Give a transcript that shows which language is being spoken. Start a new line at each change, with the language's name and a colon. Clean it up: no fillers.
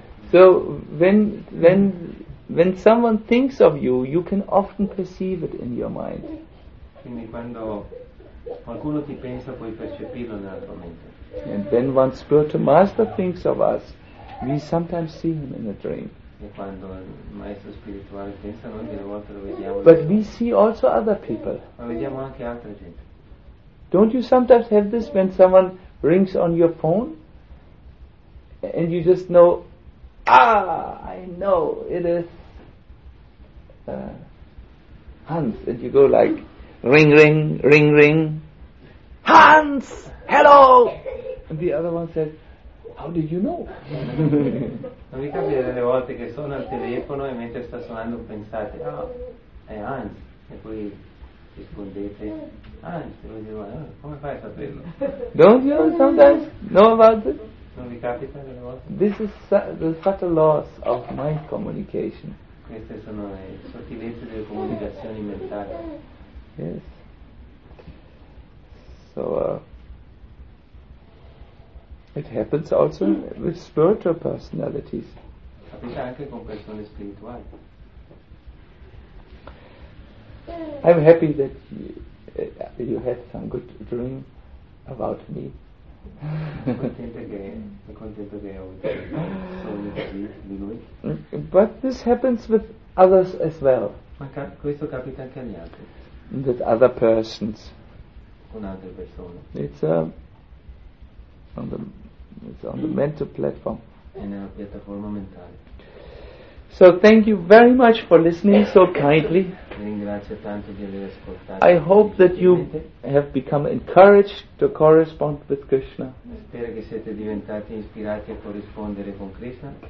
English: So when someone thinks of you, you can often perceive it in your mind.
Italian: Quindi quando qualcuno ti pensa puoi percepirlo nella tua mente.
English: And then one spiritual master thinks of us, we sometimes see him in a dream.
Italian: Quando il maestro spirituale pensa noi delle volte lo vediamo.
English: But we see also other people.
Italian: Ma vediamo anche altre gente.
English: Don't you sometimes have this when someone rings on your phone and you just know, I know it is Hans, and you go like ring ring ring ring, Hans, hello, and the other one says, how did you know?
Italian: Non mi capita delle volte che sono al telefono e mentre sta suonando pensate, è Hans, e poi rispondete, Hans, come fai a saperlo?
English: Don't you sometimes know about this?
Italian: Non mi capita delle volte?
English: This is the subtle laws of mind communication.
Italian: Queste sono le sottilezze delle comunicazioni mentali.
English: Yes. So, It happens also with spiritual personalities. I'm happy that you had some good dream about me. But this happens with others as well.
Italian: Questo capita anche agli altri.
English: With other persons.
Italian: Un'altra persona.
English: It's on the mental platform.
Italian: È nella piattaforma mentale.
English: So thank you very much for listening so kindly.
Italian: Ringrazio tanto di aver ascoltato.
English: I hope that you have become encouraged to correspond with Krishna.
Italian: Spero che siete diventati ispirati a corrispondere con Krishna.